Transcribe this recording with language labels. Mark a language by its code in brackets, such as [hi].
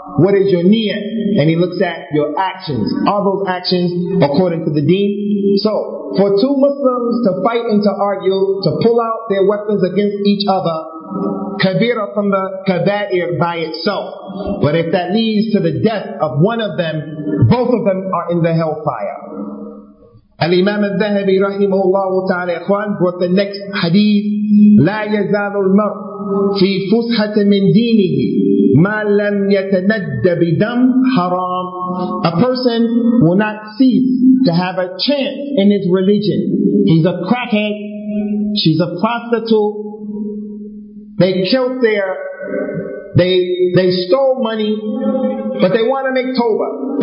[en] What is your niyyah? And He looks at your actions. Are those actions according to the deen? So, for two Muslims to fight and to argue, to pull out their weapons against each other, kabira from the kabair by itself. But if that leads to the death of one of them, both of them are in the hellfire. Al-Imam al-Dhahabi rahimahullah ta'ala ikhwan brought the next hadith, [ar] لَا يَزَالُ الْمَرْءُ فِي فُسْحَةٍ مِنْ دِينِهِ مَا لَمْ يَتَنَدَّ بِدَمْ حَرَامٍ. [en] A person will not cease to have a chance in his religion. He's a crackhead, she's a prostitute, they stole money, but they want to make tawbah.